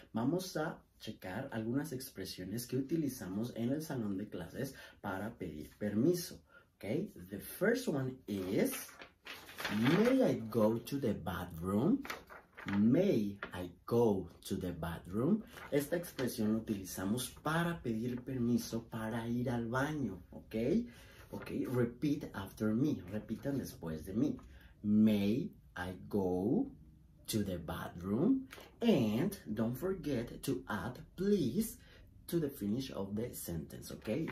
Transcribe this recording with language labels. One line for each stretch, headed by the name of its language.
Spanish: Vamos a checar algunas expresiones que utilizamos en el salón de clases para pedir permiso, okay?
English: The first one is, may I go to the bathroom? May I go to the bathroom?
Spanish: Esta expresión la utilizamos para pedir permiso para ir al baño, ¿ok?
English: Ok, repeat after me,
Spanish: repitan después de mí.
English: May I go to the bathroom? And don't forget to add please to the finish of the sentence, ¿ok?